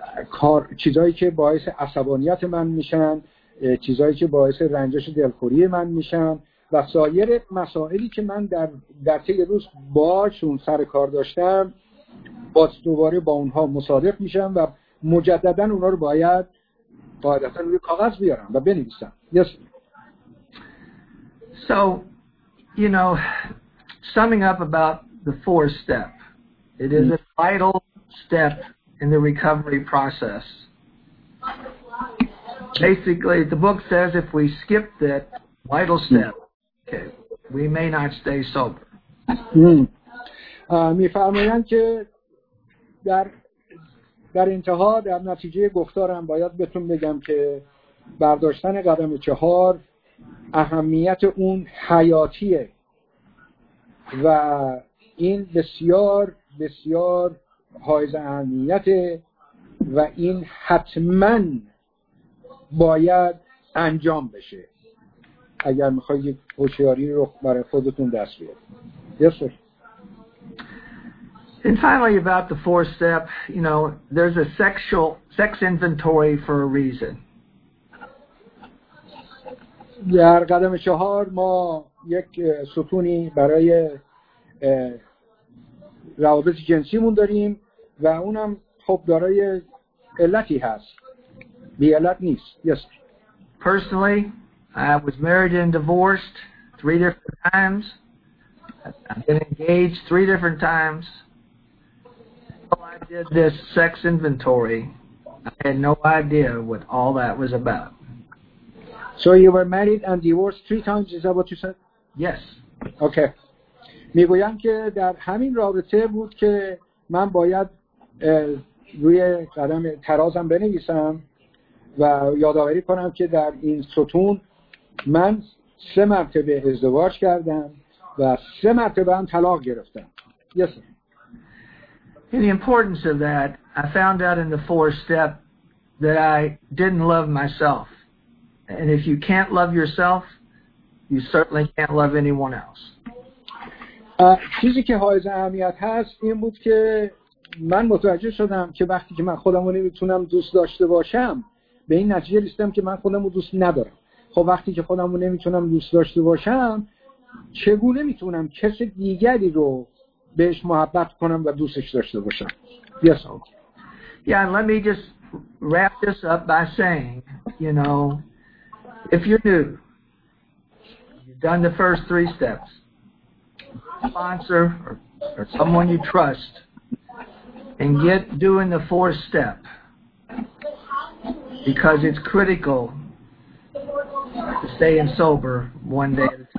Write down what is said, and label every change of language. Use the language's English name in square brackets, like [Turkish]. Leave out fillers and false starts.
[Persian] کار چیزایی که باعث عصبانیت من میشن، چیزایی که باعث رنجش دلخوری من میشن و سایر مسائلی که من در طی روز باشون سر کار داشتم باز دوباره با اونها مصادف میشم و مجدداً اونها رو باید قاعدتاً روی کاغذ بیارم و بنویسم. [English] Yes. So, you know, summing up about the fourth step, it is a vital step in the recovery process. Basically, the book says if we skip that vital step, okay, we may not stay sober. [Persian] میفرمایند که در انتها در نتیجه گفتارم باید بهتون بگم که برداشتن قدم 4 اهمیت اون حیاتیه و این بسیار بسیار حائز اهمیته و این حتما باید انجام بشه. اگر میخوای یک هوشیاری رو برای خودتون دست بیارید. [English] Yes, sir. And finally, about the fourth step, you know, there's a sex inventory for a reason. [Persian] در قدم چهار ما یک ستونی برای روابط جنسیمون داریم و اونم خب دارای علتی هست. بی علت نیست. [English] Yes. Personally, I was married and divorced 3 different times. I've been engaged 3 different times. I did this sex inventory. I had no idea what all that was about. So you were married and divorced 3 times, is that what you said? Yes. Okay. [Persian] میگویم که در همین رابطه بود که من باید روی قدم ترازم بنویسم و یادآوری کنم که در این ستون من 3 مرتبه ازدواج کردم و 3 مرتبه هم طلاق گرفتم. [English] Yes. In the importance of that, I found out in the fourth step that I didn't love myself. And if you can't love yourself, you certainly can't love anyone else. [Persian] چیزی که حائز اهمیت هست این بود که من متوجه شدم که وقتی که من خودم رو نمیتونم دوست داشته باشم به این نتیجه رسیدم که من خودم رو دوست ندارم. خب وقتی که خودم رو نمیتونم دوست داشته باشم چگونه میتونم کس دیگری رو بهش محبت کنم و دوستش داشته باشم؟ [English] Yes, okay. Yeah, and let me just wrap this up by saying, you know, if you're new, you've done the first 3 steps, sponsor or someone you trust and get doing the fourth step because it's critical to stay in sober one day.